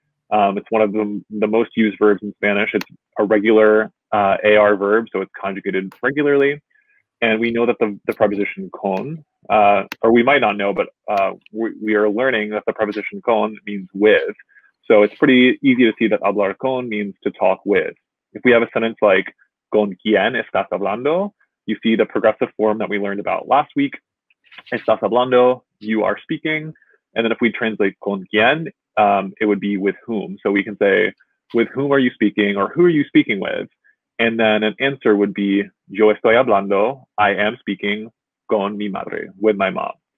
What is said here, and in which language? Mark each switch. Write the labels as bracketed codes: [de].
[en] It's one of the most used verbs in Spanish. It's a regular AR verb, so it's conjugated regularly. And we know that the preposition con, or we might not know, but we are learning that the preposition con means with. So it's pretty easy to see that hablar con means to talk with. If we have a sentence like, [es] ¿con quién estás hablando? [en] You see the progressive form that we learned about last week. [es] Estás hablando, [en] you are speaking. And then if we translate con quién, it would be with whom. So we can say, with whom are you speaking or who are you speaking with? And then an answer would be, [es] yo estoy hablando, [en] I am speaking [es] con mi madre, [en] with my mom.